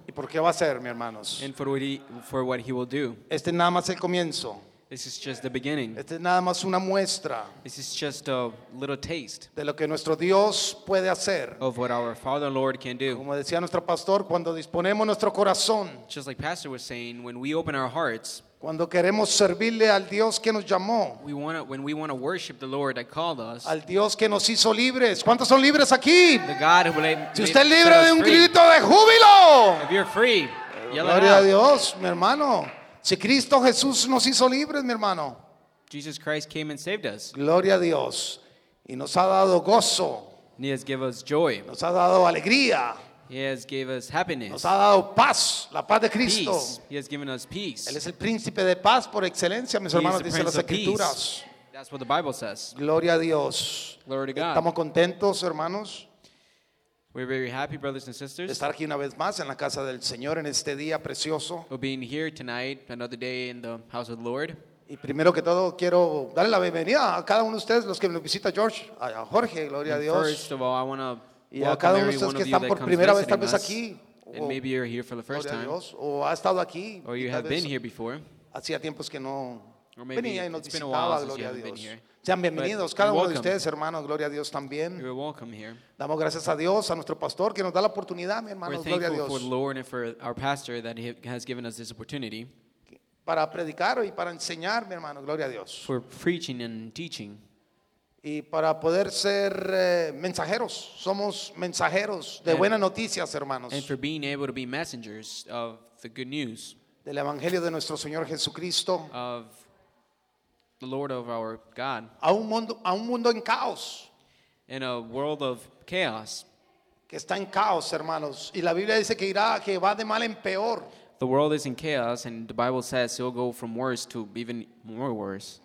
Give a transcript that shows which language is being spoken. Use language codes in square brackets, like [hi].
[es] Y por qué va a hacer, mis hermanos. [en] And for what he will do. [es] Este nada más el comienzo. [en] This is just the beginning. [es] Este nada más una muestra. [en] This is just a little taste. [es] De lo que nuestro Dios puede hacer. [en] Of what our Father Lord can do. [es] Como decía nuestro pastor, cuando disponemos nuestro corazón. [en] Just like Pastor was saying, when we open our hearts. [es] Cuando queremos servirle al Dios que nos llamó. [en] When we want to worship the Lord that called us. [es] Al Dios que nos hizo libres. ¿Cuántos son libres aquí? [en] The God who made [es] Si usted es libre de un grito de júbilo. [en] If you're free. [es] Gloria a Dios, mi hermano. Si Cristo Jesús nos hizo libres, mi hermano. [en] Jesus Christ came and saved us. [es] Gloria a Dios. Y nos ha dado gozo. [en] He has given us joy. [es] Nos ha dado alegría. [en] He has given us happiness. [es] Nos ha dado paz, la paz de Cristo. [en] Peace. He has given us peace. [es] Él es el príncipe de paz por excelencia, mis hermanos, dicen las escrituras. [en] That's what the Bible says. [es] Gloria a Dios. [en] Glory to God. [es] Estamos contentos, hermanos. [en] We're very happy, brothers and sisters. [es] De estar aquí una vez más en la casa del Señor en este día precioso. [en] Of being here tonight, another day in the house of the Lord. [es] Y primero que todo quiero darle la bienvenida a cada uno de ustedes, los que nos visita George, a Jorge, gloria [en] and [es] a Dios. [en] First of all, I want to [es] Y a cada uno de ustedes que están por primera vez tal vez aquí, o ha estado aquí, [en] or you have been here before. [es] Hacía tiempos que no venía y nos visitaba, gloria a Dios. Sean bienvenidos, cada uno de ustedes, hermanos, gloria a Dios también. [en] You're welcome here. [es] Damos gracias a Dios, a nuestro pastor, que nos da la oportunidad, mi hermano, gloria a Dios. [en] We're thankful for the Lord and for our pastor that he has given us this opportunity. [es] Para predicar y para enseñar, mi hermano, gloria a Dios. [en] For preaching and teaching. [es] Y para poder ser mensajeros, somos mensajeros de buenas noticias, hermanos. [en] And for being able to be messengers of the good news. [es] Del evangelio de nuestro Señor Jesucristo. [en] Of the Lord of our God. [es] A un mundo en caos. [en] In a world of chaos. [es] Que está en caos, hermanos. Y la Biblia dice que va de mal en peor. [en] The world is in chaos and the Bible says it will go from worse to even more worse.